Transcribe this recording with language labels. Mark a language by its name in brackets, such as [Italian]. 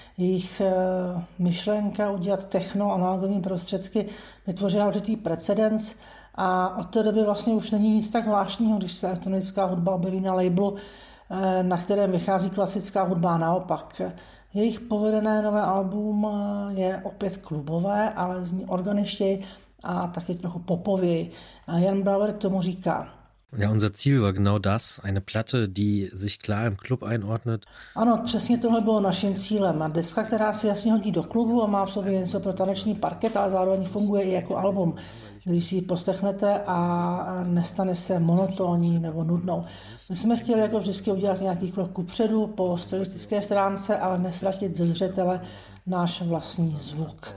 [Czech] Jejich myšlenka udělat techno analogovými prostředky vytvořila určitý precedens a od té doby vlastně už není nic tak zvláštního, když se elektronická hudba objeví na labelu, na kterém vychází klasická hudba. Naopak, jejich povedené nové album je opět klubové, ale zní organičtěji a taky trochu popověj. Jan Brouwer k tomu říká. [German] Ja, unser Ziel war genau das, eine Platte, die sich klar im Club einordnet. [Czech] Ano, přesně tohle bylo naším cílem. Deska, která se jasně hodí do klubu a má v sobě něco pro taneční parket, ale zároveň funguje i jako album, když si ji poslechnete a nestane se monotónní nebo nudnou. My jsme chtěli jako vždycky udělat nějaký krok kupředu po stylistické stránce, ale nestratit ze zřetele náš vlastní zvuk.